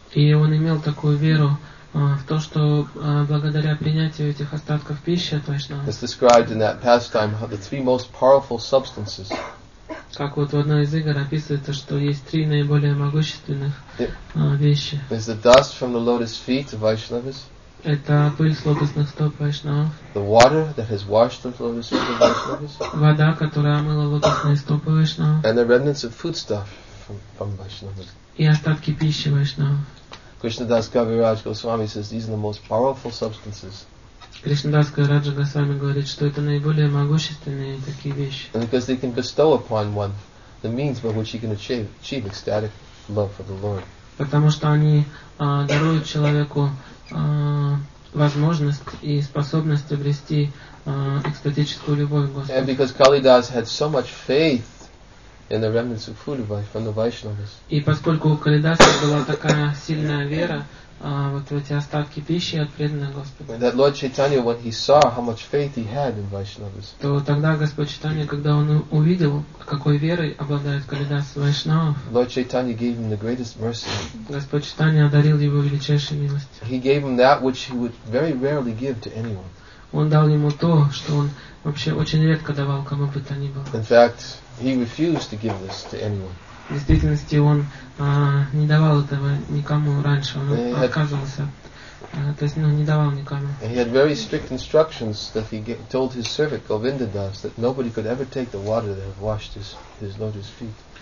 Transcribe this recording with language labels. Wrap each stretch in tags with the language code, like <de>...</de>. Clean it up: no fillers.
<ru>И он имел такую веру в то, что благодаря принятию этих остатков пищи от Вайшнавов.</ru> <en>As described in that pastime, how the three most powerful substances.</en> <ru>Как вот в одной из игр описывается, что есть три наиболее могущественных вещи.</ru> <en>There's the dust from the lotus feet of Vaishnavas.</en> <ru>Это пыль с лотосных стоп Вайшнавов.</ru> <en>The water that has washed the lotus feet of Vaishnavas.</en> <ru>Вода, которая омыла лотосные стопы Вайшнавов.</ru> <en>And the remnants of foodstuff from Vaishnavas.</en> <ru>И остатки пищи Вайшнавов.</ru> <en>Кришнадас Кавирадж Госвами says these are the most powerful substances.</en> <ru>Кришнадас Кавирадж Госвами говорит, что это наиболее могущественные такие вещи.</ru> <en>And because they can bestow upon one the means by which he can achieve ecstatic love for the Lord.</en> <ru>Потому что они даруют человеку возможность и способность обрести экстатическую любовь к Господу.</ru> <en>And because Kalidas had so much faith in the remnants of food from the Vaishnavas.</en> <ru>И поскольку у Калидаса была такая сильная вера, вот эти остатки пищи от преданных Господа.</ru> <en>That Lord Chaitanya, when he saw how much faith he had in Vaishnavas.</en> <ru>То тогда Господь Чайтанья, когда он увидел, какой верой обладает Калидас Вайшнавов.</ru> <en>Lord Chaitanya gave him the greatest mercy.</en> <ru>Господь Чайтанья одарил его величайшей милостью.</ru> <en>He gave him that which he would very rarely give to anyone.</en> <ru>Он дал ему то, что он вообще очень редко давал кому бы то ни было.</ru> <en>In fact, he refused to give this to anyone.</en> <ru>В действительности он не давал этого никому раньше, он отказывался То есть, ну, не давал никому.</ru> <en>He had very strict instructions that he told his servant Govinda Das that nobody could ever take the water that had washed his lotus feet.</en>